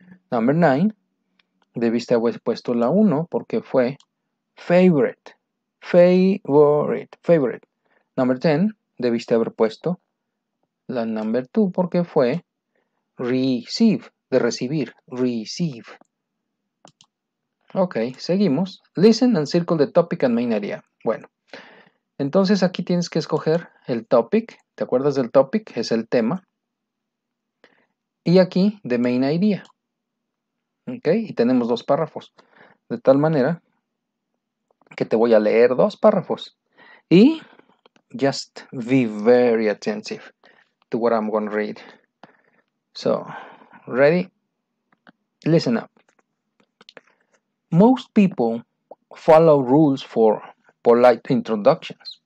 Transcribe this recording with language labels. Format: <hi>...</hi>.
<es>Number 9, debiste haber puesto la 1 porque fue favorite. Favorite. Favorite. Number 10, debiste haber puesto la number 2 porque fue receive, de recibir, receive. Ok, seguimos.</es> <en>Listen and circle the topic and main idea.</en> <es>Bueno, entonces aquí tienes que escoger el topic. ¿Te acuerdas del topic? Es el tema. Y aquí, the main idea. Ok, y tenemos dos párrafos. De tal manera que te voy a leer dos párrafos.</es> <en>Y just be very attentive to what I'm going to read. So, ready? Listen up. Most people follow rules for polite introductions.</en>